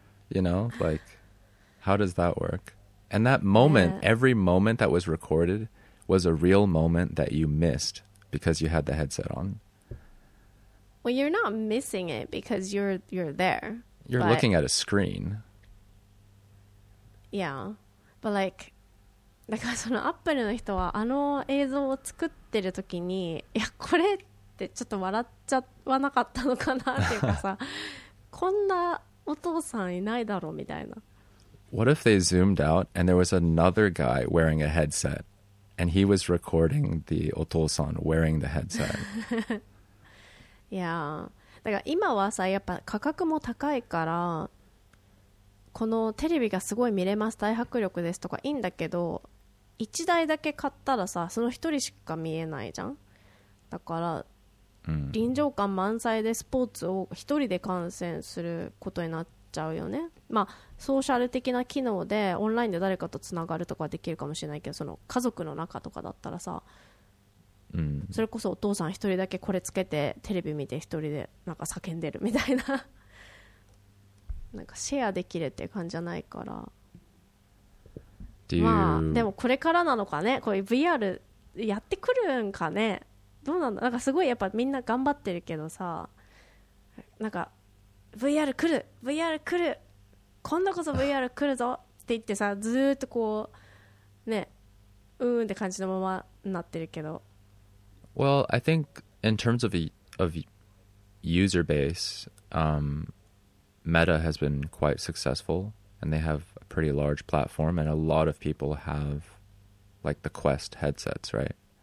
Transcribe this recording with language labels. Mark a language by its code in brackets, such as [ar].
[en] You know, like, how does that work? And that moment, every moment that was recorded was a real moment that you missed because you had the headset on. Well, you're not missing it because you're there. You're looking at a screen. Yeah. But like, [ja] だからそのアップルの人はあの映像を作ってる時に、いやこれってちょっと笑っちゃわなかったのかなっていうかさこんなお父さんいないだろうみたいな。 [en] What if they zoomed out and there was another guy wearing a headset and he was recording the お父さん wearing the headset? Yeah, [ja] だから今はさやっぱ価格も高いからこのテレビがすごい見れます大迫力ですとかいいんだけど1台だけ買ったらさその1人しか見えないじゃんだから、うん、臨場感満載でスポーツを1人で観戦することになっちゃうよね、まあ、ソーシャル的な機能でオンラインで誰かとつながるとかできるかもしれないけどその家族の中とかだったらさ、うん、それこそお父さん1人だけこれつけてテレビ見て1人でなんか叫んでるみたいななんかシェアできるって感じじゃないから、まあ、でもこれからなのかねこういう VR やってくるんかねどうなんだなんかすごいやっぱみんな頑張ってるけどさなんか VR 来る VR 来る今度こそ VR 来るぞって言ってさずっとこうねうーんって感じのままになってるけど [en] Well, I think in terms of user base Meta has been quite successful and they have a pretty large platform and a lot of people have like the Quest headsets, right?